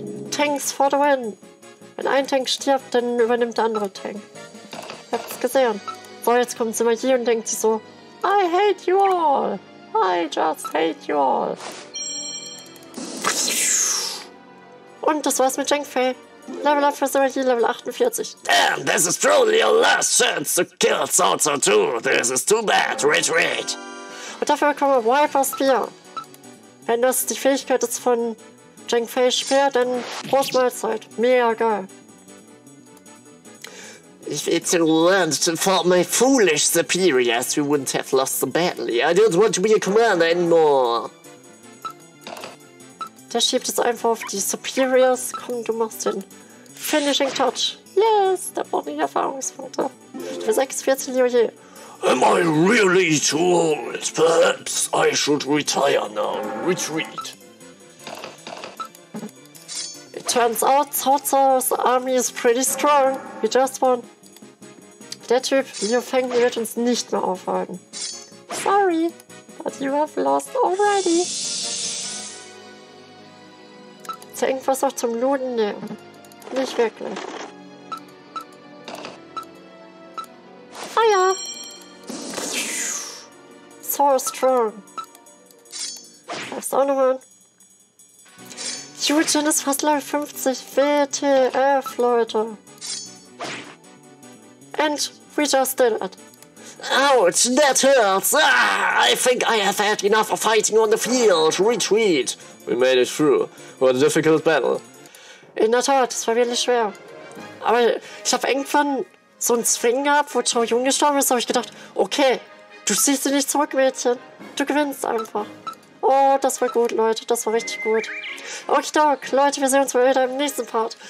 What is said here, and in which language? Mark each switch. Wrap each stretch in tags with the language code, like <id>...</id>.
<en>Tanks for the win.</en> <de>Wenn ein Tank stirbt, dann übernimmt der andere Tank. Hab's gesehen. So, jetzt kommt sie mal hier und denkt sich so,</de> <en>I hate you all. I just hate you all.</en> <de>Und das war's mit Cheng Fei.</de> <en>Level up for Zimaji, Level 48. Damn, this is truly your last chance to kill Zorzo too. This is too bad. Retreat.</en> <de>Und dafür bekommen wir Wiper Spear. Wenn das die Fähigkeit ist von Cheng Fei Spear, dann Großmahlzeit. Mega geil.</de> <en>If it weren't for my foolish superiors, we wouldn't have lost so badly. I don't want to be a commander anymore.</en> <de>Der schiebt es einfach auf die Superiors. Komm, du machst den Finishing Touch. Yes, da braucht nicht Erfahrungspunkte. Für 46 Jojo.</de> <en>Am I really too old? Perhaps I should retire now. Retreat. It turns out Zorzo's army is pretty strong. We just won.</en> <de>Der Typ, Liu Feng, wird uns nicht mehr aufhalten.</de> <en>Sorry, but you have lost already.</en> <de>Ist ja irgendwas noch zum Looten? Nee, nicht wirklich. Ah ja!</de> <en>So strong.</en> <de>Das ist auch nochmal ein. Yujin ist fast Level 50. WTF, Leute.</de> <en>And we just did it. Ouch, that hurts. Ah, I think I have had enough of fighting on the field. Retreat. We made it through. What a difficult battle.</en> <de>In der Tat, es war wirklich schwer. Aber ich habe irgendwann so einen Swing gehabt, wo Chao Yun gestorben ist, habe ich gedacht, okay, du ziehst dich nicht zurück, Mädchen. Du gewinnst einfach. Oh, das war gut, Leute. Das war richtig gut. Okay, Doc, Leute, wir sehen uns mal wieder im nächsten Part.</de>